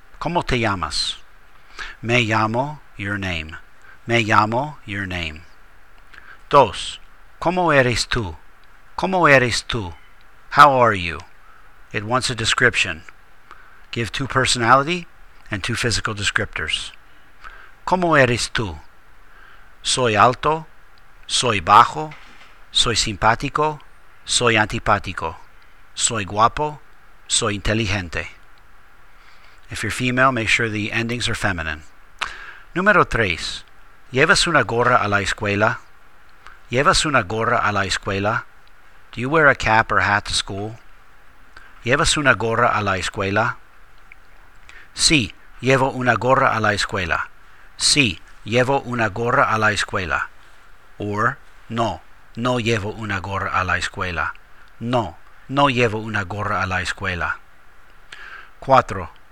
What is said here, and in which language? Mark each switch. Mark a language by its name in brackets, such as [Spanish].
[Spanish] ¿Cómo te llamas? Me llamo, [English] your name. [Spanish] Me llamo, [English] your name. [Spanish] 2. ¿Cómo eres tú? ¿Cómo eres tú? [English] How are you? It wants a description. Give 2 personality and 2 physical descriptors. [Spanish] ¿Cómo eres tú? Soy alto, soy bajo, soy simpático, soy antipático, soy guapo, soy inteligente. [English] If you're female, make sure the endings are feminine. [Spanish] Número 3. ¿Llevas una gorra a la escuela? ¿Llevas una gorra a la escuela? [English] Do you wear a cap or hat to school? [Spanish] ¿Llevas una gorra a la escuela? Sí, llevo una gorra a la escuela. Sí, llevo una gorra a la escuela. Or, no, no llevo una gorra a la escuela. No, no llevo una gorra a la escuela. 4.